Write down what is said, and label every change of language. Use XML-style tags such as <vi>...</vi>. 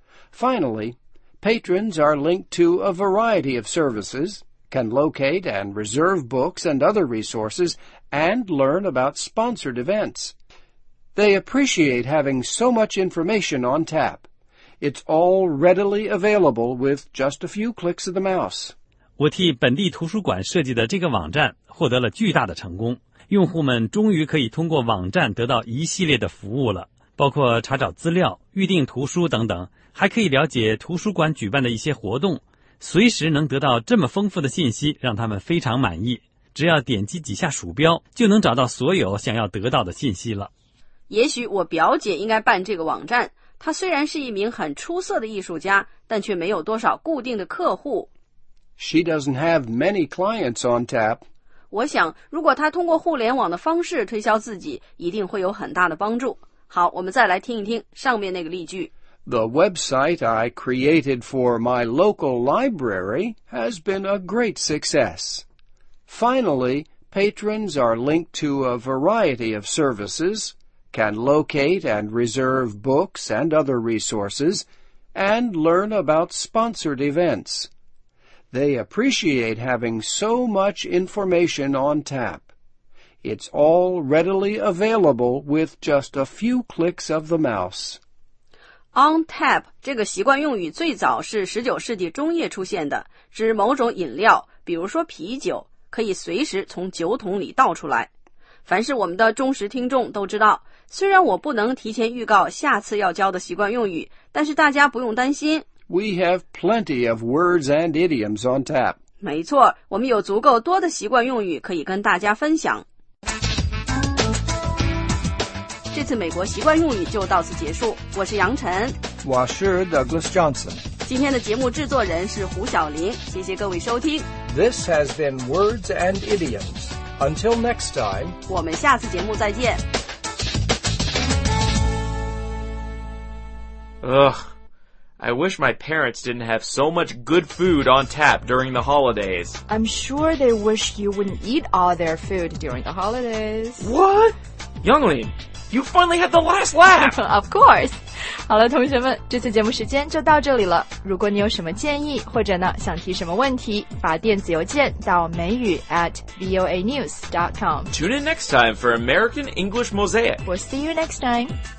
<en>Finally, patrons are linked to a variety of services, can locate and reserve books and other resources, and learn about sponsored events. They appreciate having so much information on tap. It's all readily available with just a few clicks of the mouse.</en> <zh>我替本地图书馆设计的这个网站获得了巨大的成功。用户们终于可以通过网站得到一系列的服务了，包括查找资料、预订图书等等，还可以了解图书馆举办的一些活动，随时能得到这么丰富的信息，让他们非常满意。只要点击几下鼠标，就能找到所有想要得到的信息了。也许我表姐应该办这个网站，她虽然是一名很出色的艺术家，但却没有多少固定的客户。</zh> <en>She doesn't have many clients on tap.</en> <zh>我想，如果她通过互联网的方式推销自己，一定会有很大的帮助。好，我们再来听一听上面那个例句。</zh> <en>The website I created for my local library has been a great success. Finally, patrons are linked to a variety of services. Can locate and reserve books and other resources, and learn about sponsored events. They appreciate having so much information on tap. It's all readily available with just a few clicks of the mouse.</en> <zh>On tap 这个习惯用语最早是19世纪中叶出现的，指某种饮料，比如说啤酒，可以随时从酒桶里倒出来。凡是我们的忠实听众都知道，虽然我不能提前预告下次要教的习惯用语，但是大家不用担心。</zh> <en>We have plenty of words and idioms on tap.</en> <zh>没错，我们有足够多的习惯用语可以跟大家分享。这次美国习惯用语就到此结束，我是杨晨。我是 Douglas Johnson。今天的节目制作人是胡晓林，谢谢各位收听。</zh> <en>This has been Words and Idioms. Until next time.</en> <zh>我们下次节目再见。</zh> <en>Ugh, I wish my parents didn't have so much good food on tap during the holidays. I'm sure they wish you wouldn't eat all their food during the holidays. What? Youngling, you finally had the last laugh! Of course!</en> <zh>好了，同学们，这次节目时间就到这里了。如果你有什么建议，或者呢，想提什么问题，发电子邮件到美语@voanews.com.</zh> <en>Tune in next time for American English Mosaic. We'll see you next time.</en>